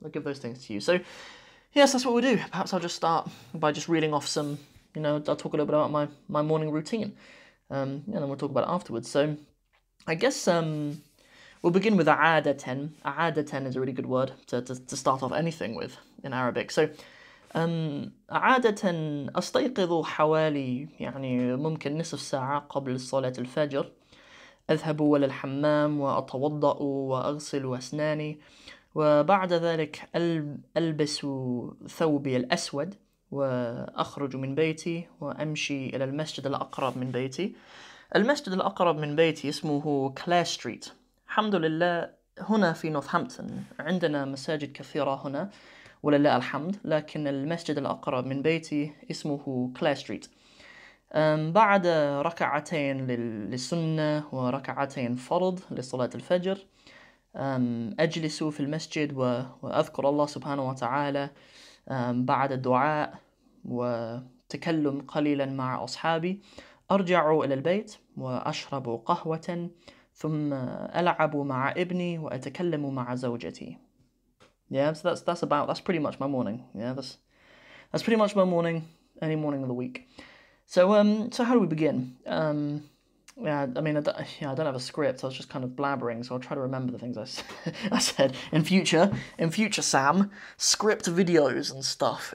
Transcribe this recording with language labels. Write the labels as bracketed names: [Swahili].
[English] I'll give those things to you. So, yes, that's what we'll do. Perhaps I'll just start by just reading off some, you know, I'll talk a little bit about my morning routine, and then we'll talk about it afterwards. So I guess we'll begin with a'adatan. A'adatan is a really good word to start off anything with in Arabic. So [Arabic] a'adatan astayqidhu hawali, يعني ممكن نصف ساعة قبل صلاة الفجر. أذهب إلى الحمام وأتوضأ وأغسل أسناني وبعد ذلك ألبس ثوبي الأسود وأخرج من بيتي وأمشي إلى المسجد الأقرب من بيتي. المسجد الأقرب من بيتي اسمه كلير ستريت. الحمد لله هنا في نورثهامبتون عندنا مساجد كثيرة هنا ولله الحمد، لكن المسجد الأقرب من بيتي اسمه كلير ستريت. بعد ركعتين للسنة وركعتين فرض لصلاة الفجر أجلس في المسجد وأذكر الله سبحانه وتعالى بعد الدعاء وتكلم قليلا مع أصحابي. أرجع إلى البيت وأشرب قهوة ثم ألعب مع ابني وأتكلم مع زوجتي. [English] Yeah, so that's pretty much my morning. Yeah, that's pretty much my morning, any morning of the week. So how do we begin? I don't have a script. I was just kind of blabbering, so I'll try to remember the things I said in future Sam, script videos and stuff.